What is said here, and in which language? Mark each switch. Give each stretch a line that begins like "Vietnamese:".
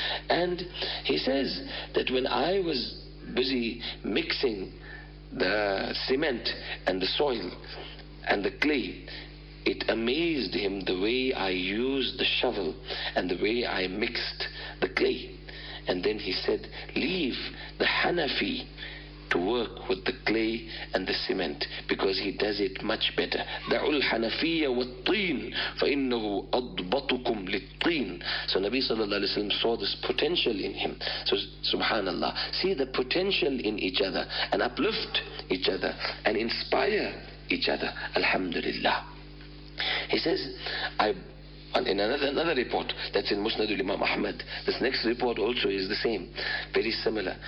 English: And he says that when I was busy mixing the cement and the soil and the clay, it amazed him the way I used the shovel and the way I mixed the clay. And then he said, leave the Hanafi to work with the clay and the cement because he does it much better.
Arabic: دعوا الحنفية والطين فإنه أضبطكم للطين.
English: So Nabi Sallallahu Alaihi Wasallam saw this potential in him. So subhanallah, see the potential in each other and uplift each other and inspire each other. Alhamdulillah. He says, in another report that's in Musnad al-Imam Ahmad, this next report also is the same, very similar.